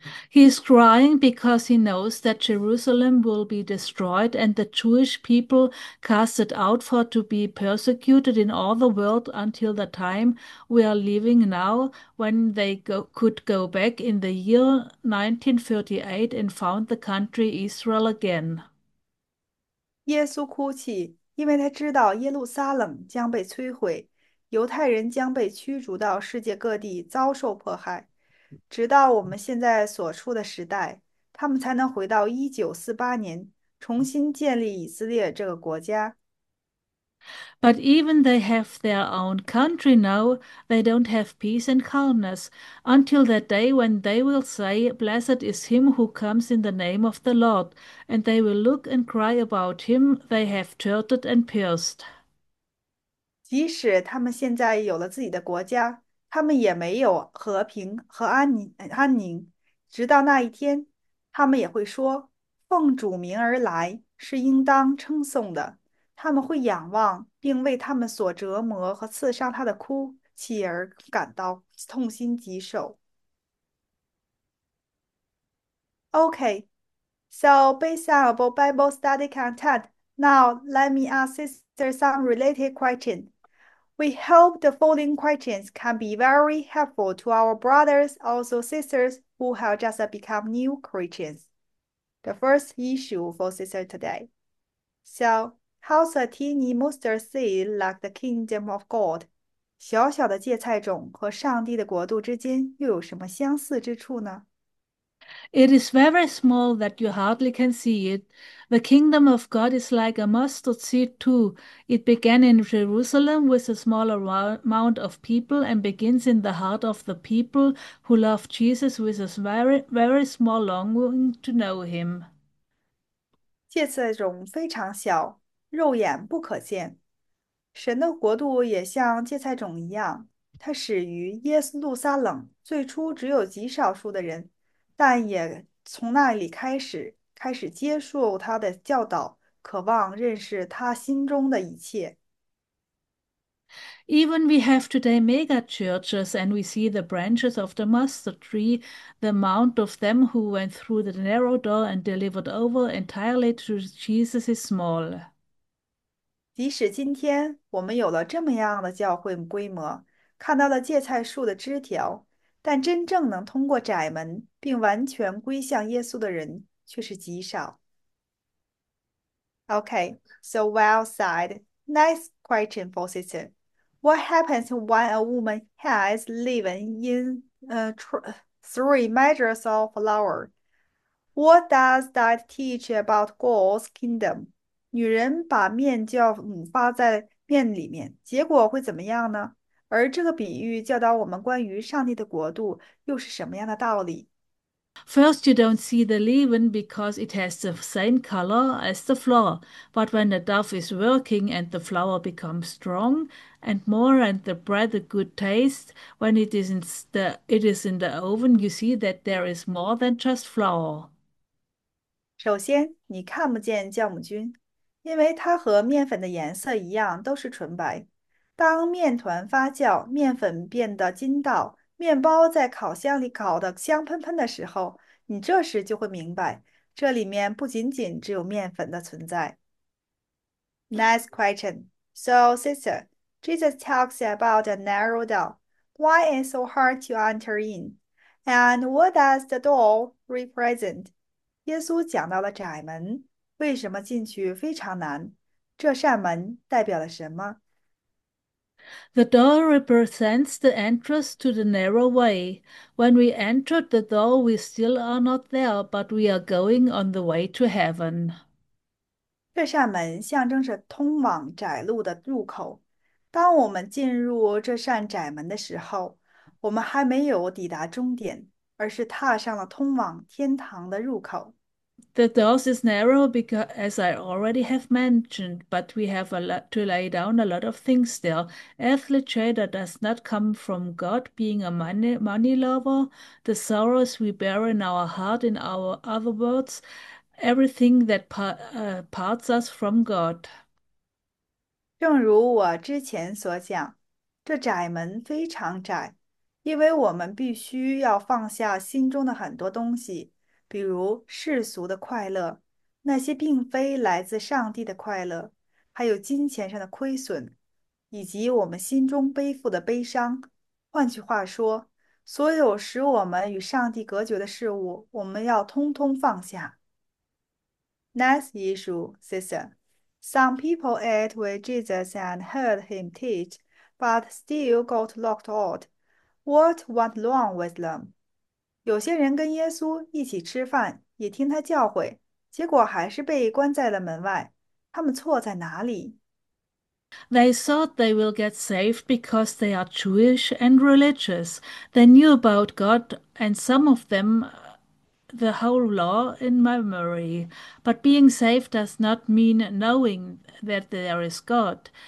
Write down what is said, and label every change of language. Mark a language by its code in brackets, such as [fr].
[en] He is crying because he knows that Jerusalem will be destroyed and the Jewish people casted out for to be persecuted in all the world until the time we are living now, when they could go back in the year 1938 and found the country Israel again. [zh] 耶稣哭泣，因为他知道耶路撒冷将被摧毁，犹太人将被驱逐到世界各地遭受迫害，直到我们现在所处的时代，他们才能回到1948年，重新建立以色列这个国家。 [en] But even they have their own country now, they don't have peace and calmness until that day when they will say, Blessed is him who comes in the name of the Lord, and they will look and cry about him they have tortured and pierced. [zh] 即使他们现在有了自己的国家，他们也没有和平和安宁。直到那一天，他们也会说：“奉主名而来是应当称颂的。 ”他们会仰望并为他们所折磨和刺伤他的哭泣而感到痛心疾首。 [en] OK，so、okay, based on our Bible study content, now let me ask sister some related question. We hope the following questions can be very helpful to our brothers, also sisters, who have just become new Christians. The first issue for sister today. So, how's a tiny mustard seed like the kingdom of God? [zh] 小小的芥菜种和上帝的国度之间又有什么相似之处呢？ [en] It is very small that you hardly can see it. The kingdom of God is like a mustard seed, too. It began in Jerusalem with a smaller amount of people and begins in the heart of the people who love Jesus with a very, very small longing to know him. [zh] 芥菜种非常小，肉眼不可见。神的国度也像芥菜种一样，它始于耶路撒冷，最初只有极少数的人，但也从那里开始接受他的教导，渴望认识他心中的一切。 [en] Even we have today mega churches and we see the branches of the mustard tree, the amount of them who went through the narrow door and delivered over entirely to Jesus is small. [zh] 即使今天我们有了这么样的教会规模，看到了芥菜树的枝条，但真正能通过窄门并完全归向耶稣的人却是极少。 [en] OK，so、okay, well said. Next question for sister: What happens when a woman has lived in three measures of flour? What does that teach about God's kingdom? [zh] 女人把面酵发在面里面，结果会怎么样呢？而这个比喻教导我们关于上帝的国度又是什么样的道理？ [en] First, you don't see the leaven because it has the same color as the flour. But when the dough is working and the flour becomes strong and more and the bread a good taste, when it is in the oven, you see that there is more than just flour. [zh] 首先，你看不见酵母菌。因为它和面粉的颜色一样，都是纯白。当面团发酵，面粉变得筋道，面包在烤箱里烤得香喷喷的时候，你这时就会明白，这里面不仅仅只有面粉的存在。 [en] Next question. So, sister, Jesus talks about a narrow door. Why is it so hard to enter in? And what does the door represent? [zh] 耶稣讲到了窄门。为什么进去非常难？这扇门代表了什么？ [en] The door represents the entrance to the narrow way. When we entered the door, we still are not there, but we are going on the way to heaven. [zh] 这扇门象征着通往窄路的入口。当我们进入这扇窄门的时候，我们还没有抵达终点，而是踏上了通往天堂的入口。 [en] The door is narrow because, as I already have mentioned, but we have a lot to lay down a lot of things there. Earthly treasure does not come from God being a money lover. The sorrows we bear in our heart, in our other words, everything that parts us from God. [zh] 正如我之前所讲，这窄门非常窄，因为我们必须要放下心中的很多东西，比如世俗的快乐，那些并非来自上帝的快乐，还有金钱上的亏损，以及我们心中背负的悲伤。换句话说，所有使我们与上帝隔绝的事物，我们要通通放下。 [en] Next issue, sister. Some people ate with Jesus and heard him teach, but still got locked out. What went wrong with them? [zh] 有些人跟耶稣一起吃饭，也听他教诲，结果还是被关在了门外。他们错在哪里？ [en] They thought they will get saved because they are Jewish and religious. They knew about God and some of them the whole law in memory. But being saved does not mean knowing that there is God.